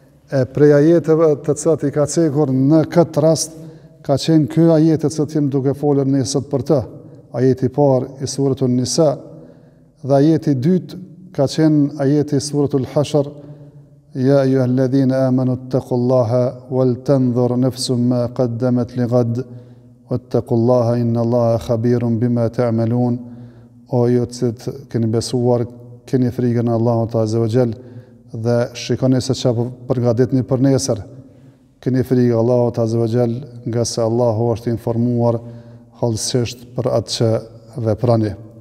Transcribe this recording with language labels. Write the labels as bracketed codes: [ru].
[sq] E prej ajeteve të cilat i ka cekur në këtë rast ka qenë ky ajet që tim duke folur ne sot për të, ajeti i parë i suratun Nisa, dhe ajeti i dytë ka qenë ajeti i suratul Hashr: [ar] Ja ayyuhalladhina amanu ittaqullaha wal tanzur nafsun ma qaddamat li ghad واتقوا الله إن الله خبير بما تعملون. [sq] O ju të cilët keni besuar, keni frikën Allahut Azza wa Jall dhe shikoni se çfarë përgatitni për nesër. Keni frikë Allahut Azza wa Jall, nga se Allahu është informuar hollësisht për atë që veprani.